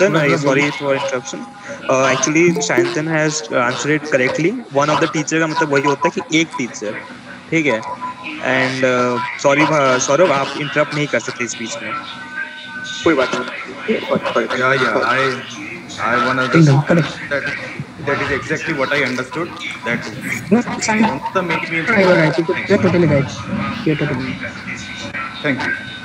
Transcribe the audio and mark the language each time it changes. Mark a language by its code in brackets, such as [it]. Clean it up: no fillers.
[en] Actually, Shayantan has answered it correctly. One of the teacher [hi] का मतलब वही होता है कि एक teacher, ठीक है? [en] And sorry, [hi] Saurav, आप interrupt नहीं कर सकते इस बीच में. कोई बात नहीं. [en] Yeah, that is exactly what I understood. That no, the right. You're totally right. You're totally right. Thank you.